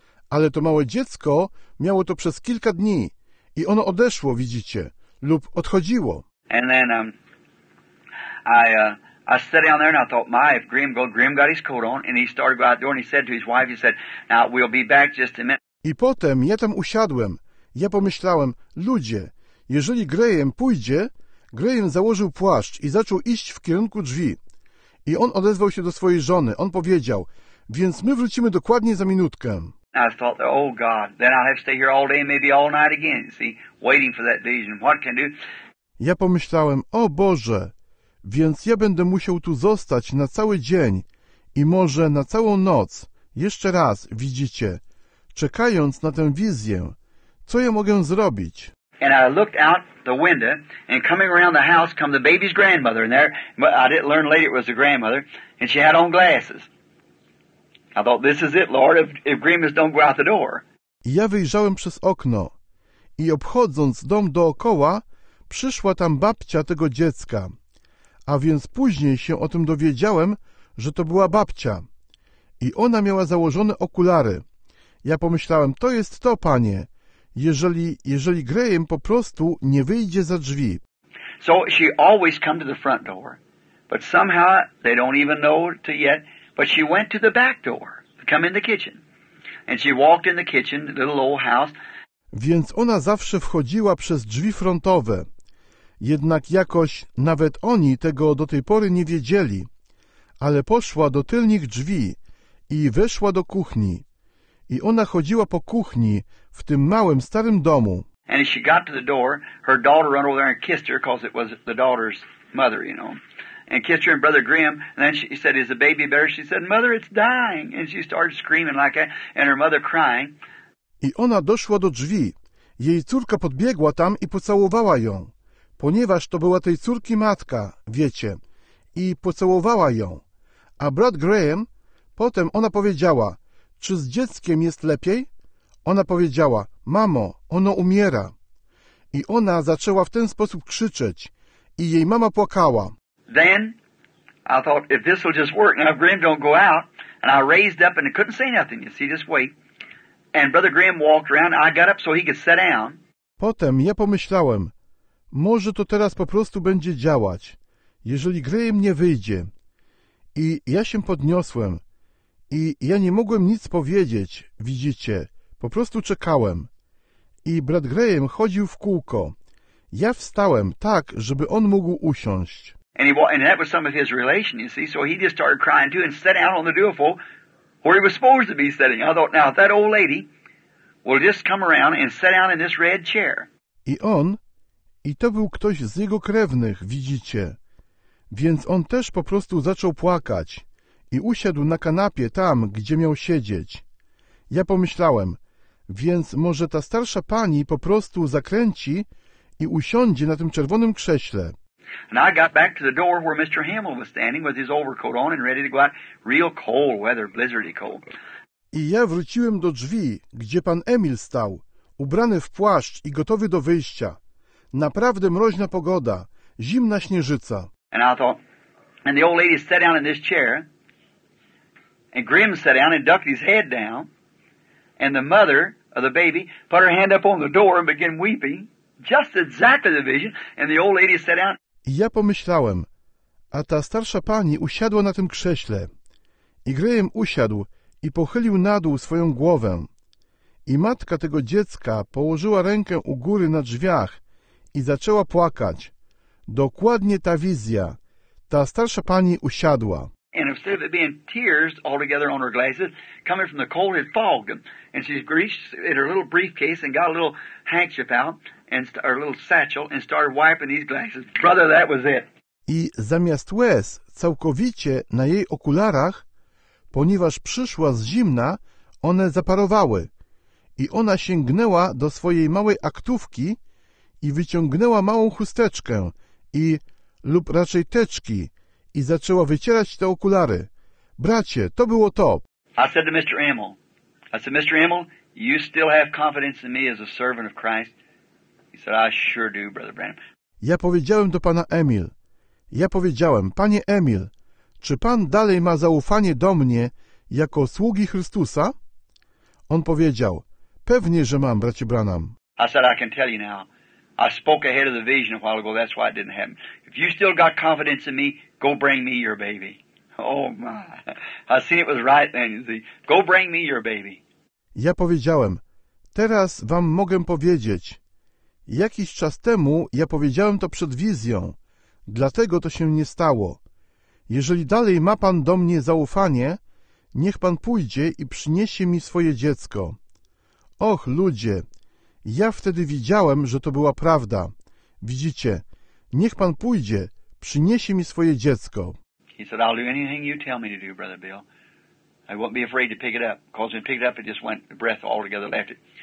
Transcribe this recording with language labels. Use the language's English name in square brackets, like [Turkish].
[Polish] Ale to małe dziecko miało to przez kilka dni i ono odeszło, widzicie, lub odchodziło. [English] And then I sat down there and I thought, my, if Graham got his coat on and he started out the door and he said to his wife, he said, now we'll be back just a minute. [Polish] I potem ja tam usiadłem. Ja pomyślałem, ludzie, jeżeli Graham pójdzie, Graham założył płaszcz i zaczął iść w kierunku drzwi. I on odezwał się do swojej żony. On powiedział, więc my wrócimy dokładnie za minutkę. [English] I thought, oh God, then I'll have to stay here all day, maybe all night again, see, waiting for that vision. What can do? [Polish] Ja pomyślałem, o Boże, więc ja będę musiał tu zostać na cały dzień i może na całą noc, jeszcze raz, widzicie, czekając na tę wizję. Co ja mogę zrobić? [English] And I looked out the window and coming around the house come the baby's grandmother in there. But I didn't learn later it was the grandmother and she had on glasses. I thought, this is it, Lord, if Grimms don't go out the door. [Polish] Ja wyjrzałem przez okno i obchodząc dom dookoła, przyszła tam babcia tego dziecka. A więc później się o tym dowiedziałem, że to była babcia. I ona miała założone okulary. Ja pomyślałem, to jest to, panie, jeżeli Graham po prostu nie wyjdzie za drzwi. [English] So she always come to the front door, but somehow they don't even know to yet. But she went to the back door, come in the kitchen. And she walked in the kitchen, the little old house. [Polish] Więc ona zawsze wchodziła przez drzwi frontowe. Jednak jakoś nawet oni tego do tej pory nie wiedzieli, ale poszła do tylnych drzwi i weszła do kuchni. I ona chodziła po kuchni w tym małym, starym domu. [English] And she got to the door, her daughter ran over there and kissed her, because it was the daughter's mother, you know. And kissed her and Brother Grimm, and then she said, is the baby better? She said, Mother, it's dying. And she started screaming like that, and her mother crying. [Polish] I ona doszła do drzwi. Jej córka podbiegła tam i pocałowała ją, ponieważ to była tej córki matka, wiecie, i pocałowała ją. A brat Graham, potem ona powiedziała, czy z dzieckiem jest lepiej? Ona powiedziała, mamo, ono umiera. I ona zaczęła w ten sposób krzyczeć i jej mama płakała. [English] Then I thought, if this will just work, now Graham don't go out, and I raised up and I couldn't say nothing, you see, just wait. And Brother Graham walked around, I got up so he could sit down. [Polish] Potem ja pomyślałem, może to teraz po prostu będzie działać, jeżeli Graham nie wyjdzie. I ja się podniosłem. I ja nie mogłem nic powiedzieć, widzicie. Po prostu czekałem. I brat Graham chodził w kółko. Ja wstałem tak, żeby on mógł usiąść. [English] And that was some of his relation, you see. So he just started crying too and sat down on the duffel where he was supposed to be sitting. I thought, now if that old lady will just come around and sit down in this red chair. [Polish] I on... I to był ktoś z jego krewnych, widzicie. Więc on też po prostu zaczął płakać i usiadł na kanapie tam, gdzie miał siedzieć. Ja pomyślałem, więc może ta starsza pani po prostu zakręci i usiądzie na tym czerwonym krześle. [English] And I got back to the door where Mr. Hamill was standing with his overcoat on and ready to go out. Real cold weather, blizzardy cold. [Polish] I ja wróciłem do drzwi, gdzie pan Emil stał, ubrany w płaszcz i gotowy do wyjścia. Naprawdę mroźna pogoda, zimna śnieżyca. [English] And I thought, and the old lady sat down in this chair, and Grimm sat down and ducked his head down, and the mother of the baby put her hand up on the door and began weeping, just exactly the vision, and the old lady sat down. [Polish] I ja pomyślałem, a ta starsza pani usiadła na tym krześle, i Graham usiadł i pochylił na dół swoją głowę, i matka tego dziecka położyła rękę u góry na drzwiach i zaczęła płakać. Dokładnie ta wizja. Ta starsza pani usiadła. [English] And instead of it being tears altogether on her glasses, coming from the cold and fog, and she reached in her little briefcase and got a little handkerchief out, and her little satchel, and started wiping these glasses. Brother, that was it. [Polish] I zamiast łez całkowicie na jej okularach, ponieważ przyszła z zimna, one zaparowały. I ona sięgnęła do swojej małej aktówki i wyciągnęła małą chusteczkę i, lub raczej teczki, i zaczęła wycierać te okulary. Bracie, to było to. [English] I said to Mr. Emil, I said, Mr. Emil, you still have confidence in me as a servant of Christ? He said, I sure do, Brother Branham. [Polish] Ja powiedziałem do pana Emil, ja powiedziałem, panie Emil, czy pan dalej ma zaufanie do mnie jako sługi Chrystusa? On powiedział, pewnie, że mam, bracie Branham. [English] I said, I can tell you now. I spoke ahead of the vision a while ago, that's why it didn't happen. If you still got confidence in me, go bring me your baby. Oh my, I seen it was right then, you see. Go bring me your baby. [Polish] Ja powiedziałem, teraz wam mogę powiedzieć. Jakiś czas temu ja powiedziałem to przed wizją, dlatego to się nie stało. Jeżeli dalej ma pan do mnie zaufanie, niech pan pójdzie i przyniesie mi swoje dziecko. Och, ludzie! Ja wtedy widziałem, że to była prawda. Widzicie, niech pan pójdzie, przyniesie mi swoje dziecko. [English] He said, I'll do anything you tell me to do, Brother Bill. I won't be afraid to pick it up. Because when I picked it up, it just went, the breath altogether left it.